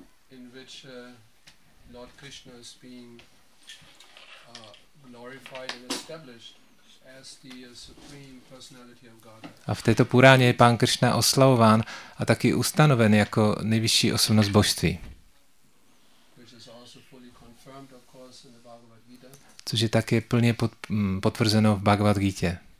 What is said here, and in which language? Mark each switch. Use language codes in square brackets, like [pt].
[en] in which Lord Krishna is being glorified and established as the supreme personality of Godhead. [cs] A v této Puráně je Pán Krishna oslavován a taky ustanoven jako nejvyšší osobnost božství. [en] Which is also fully confirmed, of course, in the Bhagavad Gita. [cs] Což je také plně potvrzeno v Bhagavad Gita.